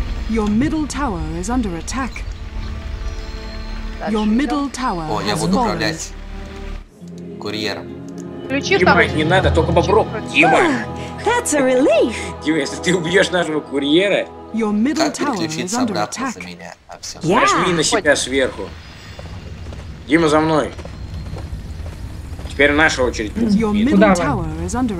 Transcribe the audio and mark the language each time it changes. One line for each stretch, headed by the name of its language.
English: Your middle tower is under attack. Your middle tower has fallen.
Russian: О, я буду управлять курьером. Дима, не надо, только бобро. Дима!
English: That's a relief.
Russian: Дима, если ты убьешь нашего курьера,
English: your middle
Russian: как переключиться
English: tower is under attack.
Russian: Обратно за меня? Нажми на себя сверху. Дима, за мной. Теперь наша очередь.
English: Your middle tower is under